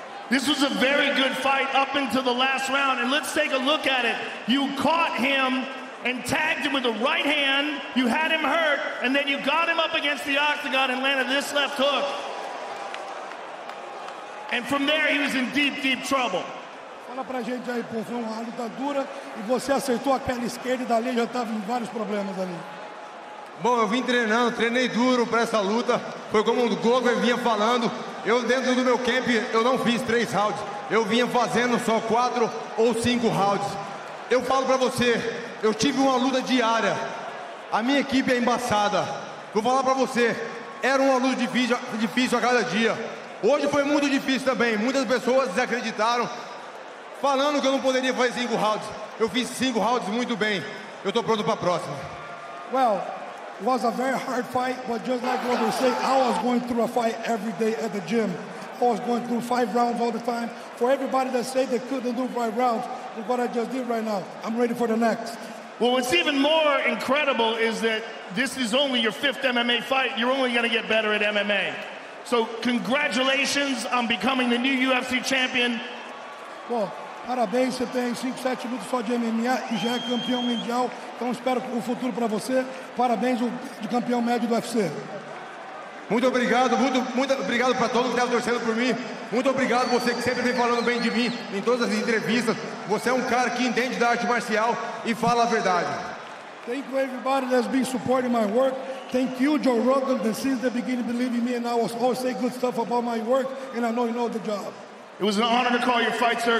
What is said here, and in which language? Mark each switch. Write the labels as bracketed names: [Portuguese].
[English] This was a very good fight up until the last round. And let's take a look at it. You caught him and tagged him with the right hand, you had him hurt, and then you got him up against the octagon and landed this left hook. And from there, he was in deep, deep trouble. [Portuguese] Fala pra gente aí, pô, foi uma luta dura e você aceitou aquela esquerda e dali já tava em vários problemas ali. Bom, eu vim treinando, treinei duro pra essa luta. Foi como o Gogo vinha falando. Eu dentro do meu camp, eu não fiz três rounds. Eu vinha fazendo só quatro ou cinco rounds. Eu falo pra você, eu tive uma luta diária. A minha equipe é embaçada. Vou falar pra você, era uma luta difícil a cada dia. Hoje foi muito difícil também. Muitas pessoas desacreditaram, falando que eu não poderia fazer cinco rounds. Eu fiz cinco rounds muito bem. Eu tô pronto pra próxima. [English] Well, it was a very hard fight, but just like what they say, I was going through a fight every day at the gym. I was going through five rounds all the time. For everybody that say they couldn't do five rounds, look what I just did right now. I'm ready for the next. Well, what's even more incredible is that this is only your fifth MMA fight. You're only going to get better at MMA. So congratulations on becoming the new UFC champion. [Portuguese] Well, parabéns, você tem 5, 7 minutos só de MMA e já é campeão mundial. Então espero o futuro para você. Parabéns de campeão médio do UFC. Muito obrigado, muito obrigado para todo mundo que está torcendo por mim. Muito obrigado você que sempre vem falando bem de mim em todas as entrevistas. Você é um cara que entende da arte marcial e fala a verdade. [English] Thank you everybody that's been supporting my work. Thank you, Joe Rogan, that since the beginning believed in me and I was always saying good stuff about my work and I know you know the job. It was an honor to call your fight, sir.